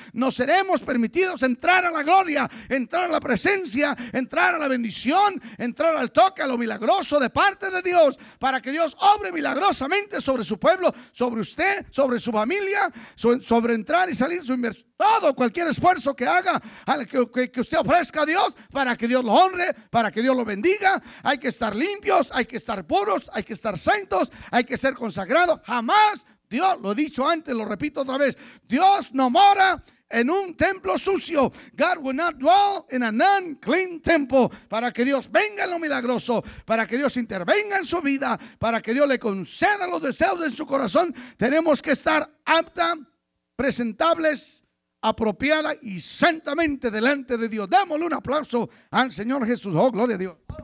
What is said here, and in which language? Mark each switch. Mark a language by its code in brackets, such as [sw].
[es] no seremos permitidos entrar a la gloria, entrar a la presencia, entrar a la bendición, entrar al toque, a lo milagroso de parte de Dios, para que Dios obre milagrosamente sobre su pueblo, sobre usted, sobre su familia, sobre entrar y salir, su inversión, todo, cualquier esfuerzo que haga, que usted ofrezca a Dios, para que Dios lo honre, para que Dios lo bendiga. Hay que estar limpios, hay que estar puros, hay que estar santos, hay que ser consagrados. Jamás, Dios, lo he dicho antes, lo repito otra vez, Dios no mora en un templo sucio. [en] God will not dwell in an unclean temple. [es] Para que Dios venga en lo milagroso, para que Dios intervenga en su vida, para que Dios le conceda los deseos de su corazón, tenemos que estar apta, presentables, apropiada y santamente delante de Dios. Démosle un aplauso al Señor Jesús. Oh, gloria a Dios.